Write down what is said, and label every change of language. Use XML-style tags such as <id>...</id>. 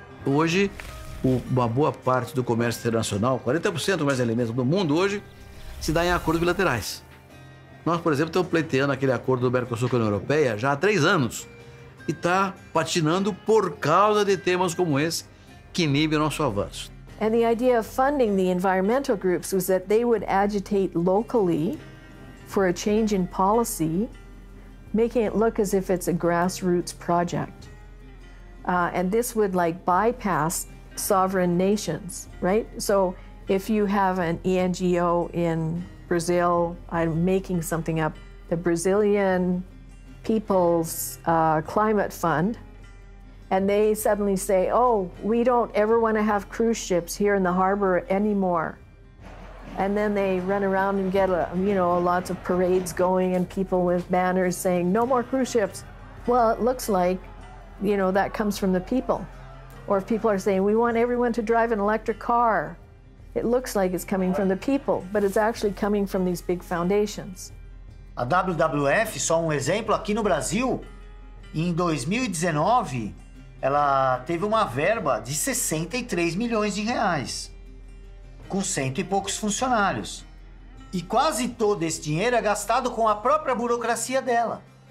<pt>Hoje, uma boa parte do comércio internacional, 40% mais elementos do mundo hoje, se dá em acordos bilaterais. Nós, por exemplo, estamos pleiteando aquele acordo do Mercosul com a União Europeia já há 3 anos e está patinando por causa de temas como esse que inibem o nosso avanço.</pt> <en>And the idea of funding the environmental groups was that they would agitate locally for a change in policy, making it look as if it's a grassroots project. And this would like bypass sovereign nations, right? So if you have an NGO in Brazil, I'm making something up, the Brazilian People's Climate Fund, And they suddenly say, oh, we don't ever want to have cruise ships here in the harbor anymore. And then they run around and get, lots of parades going and people with banners saying, no more cruise ships. Well, it looks like, that comes from the people. Or if people are saying, we want everyone to drive an electric car, it looks like it's coming from the people, but it's actually coming from these big foundations.</en> <pt>A WWF, só um exemplo, aqui no Brasil, em 2019, ela teve uma verba de 63 milhões de reais, com 100 e poucos funcionários. E quase todo esse dinheiro é gastado com a própria burocracia dela.</pt>